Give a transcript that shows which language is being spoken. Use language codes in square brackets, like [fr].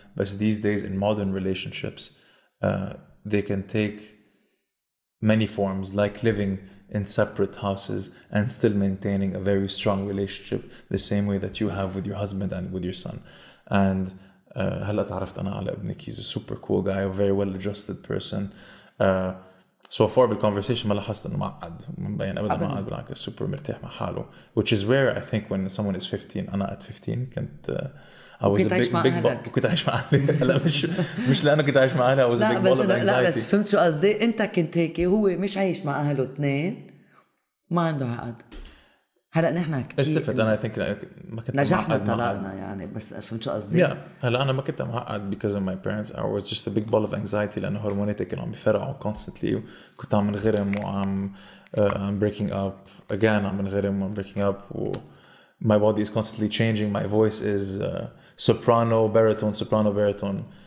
[en] But these days in modern relationships, they can take many forms, like living in separate houses and still maintaining a very strong relationship the same way that you have with your husband and with your son. And [ar] هلا تعرفت انا على ابنك. [en] He's a super cool guy, a very well adjusted person. So far the conversation [ar] ما لاحظت انه معقد, مبين ابدا معقد, بالعكس super مرتاح مع حاله, [en] which is rare I think when someone is 15. [ar] انا [en] at 15 [ar] كنت [en] I was a big ball. [ar] كنت عايش مع اهلي. لا مش لانه كنت عايش مع اهلي, [en] I was a big ball of anxiety. [ar] لا بس فهمت شو قصدي, انت كنت هيك, هو مش عايش مع اهله اثنين ما عنده عقد. هلا نحن كثير استفدت انا, [en] I think [ar] ما كنت نجحنا طلعنا يعني, بس فهمت شو قصدي. هلا انا ما كنت معقد [en] because of my parents, I was just a big ball of anxiety [ar] لانه هرموناتي كانوا عم بفرقعوا [en] constantly, [ar] كنت عم انغرم وعم [en] breaking up again, [ar] عم انغرم وعم [en] breaking up, my body is constantly changing, my voice is soprano baritone.